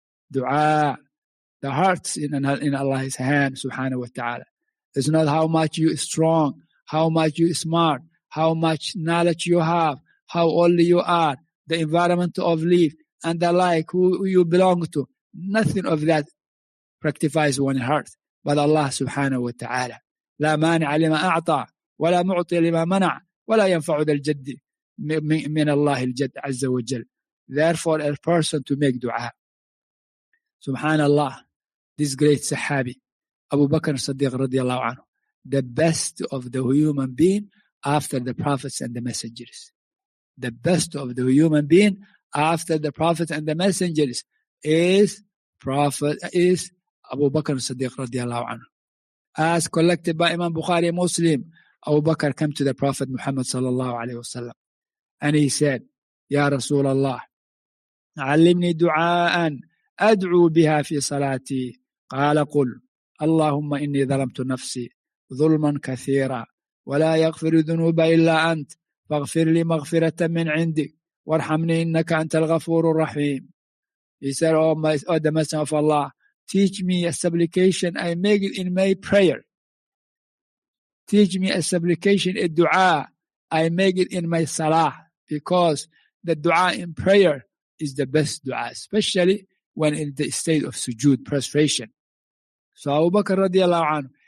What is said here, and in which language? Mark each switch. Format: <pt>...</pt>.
<en>Dua, the heart's in Allah's hand subhanahu wa ta'ala. It's not how much you are strong, how much you are smart, how much knowledge you have, how old you are, the environment of life, and the like, who you belong to. Nothing of that rectifies one heart, but Allah subhanahu wa ta'ala.</en> <ar>لا مانع لما أعطى ولا معطي لما منع ولا ينفع ذا الجد من الله الجد عز وجل.</ar> <en>Therefore, a person to make dua. Subhanallah, this great sahabi, Abu Bakr Siddiq radiallahu anhu, the best of the human being after the prophets and the messengers. The best of the human being after the prophets and the messengers is Abu Bakr Siddiq radiallahu anhu. As collected by Imam Bukhari Muslim, Abu Bakr came to the Prophet Muhammad sallallahu alayhi wasallam, and he said, Ya Rasulallah,</en> <ar>علمني دعاء أدعو بها في صلاتي. قال قل اللهم إني ظلمت نفسي ظلما كثيرا ولا يغفر الذنوب إلا أنت فاغفر لي مغفرة من عندك وارحمني إنك أنت الغفور الرحيم.</ar> <en>He said, Oh, the Messenger of Allah, teach me a supplication I make in my prayer. Teach me a supplication, a dua I make it in my salah, because the dua in prayer is the best dua, especially when in the state of sujood, prostration. So Abu Bakr radiallahu anhu,</en>